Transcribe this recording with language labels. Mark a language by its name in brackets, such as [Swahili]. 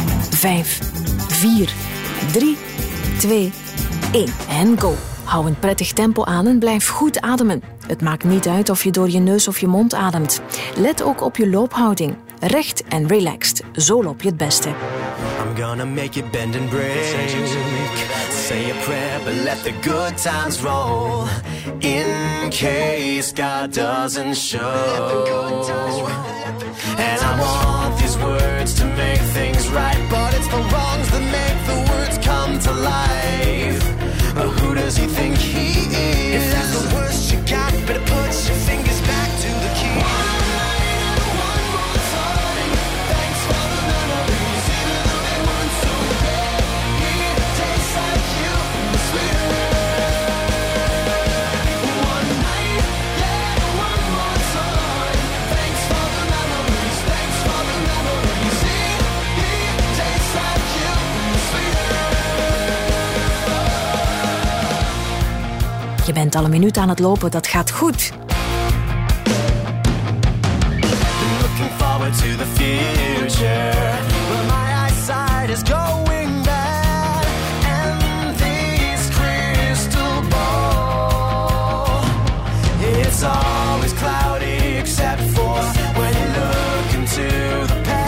[Dutch] 5, 4, 3, 2, 1 en go. Hou een prettig tempo aan en blijf goed ademen. Het maakt niet uit of je door je neus of je mond ademt. Let ook op je loophouding. Recht en relaxed. Zo loop je het beste. [English] I'm gonna make you bend and break. Say a prayer, but let the good times roll. In case God doesn't show. And I want these words to make things right. But it's the wrongs that make the words come to life. But who does he think he is? If that's the worst you got, better put your fingers back to the key. [Dutch] Je bent al een minuut aan het lopen, dat gaat goed. [English] Looking forward to the future. But my eyesight is going bad. And this crystal ball. It's always cloudy except for when you look into the